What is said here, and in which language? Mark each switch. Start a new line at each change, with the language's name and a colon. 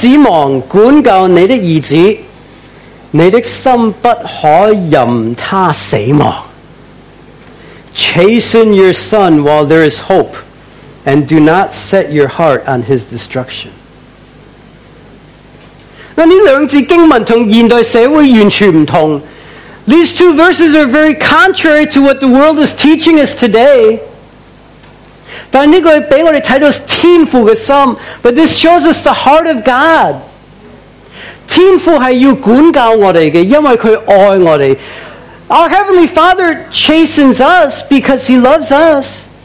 Chinese: 趁有子亡管教你的儿子, 你的心不可任他死亡。
English: Chasten your son while there is hope, and do not set your heart on his destruction.
Chinese: 那这两节经文和现代社会完全不同。
English: These two verses are very contrary to what the world is teaching us today.
Chinese: 但这个给我们看到天父的心,
English: but this shows us the heart of God.
Chinese: 天父是要管教我们的,因为他爱我们。
English: Our Heavenly Father chastens us because He loves us.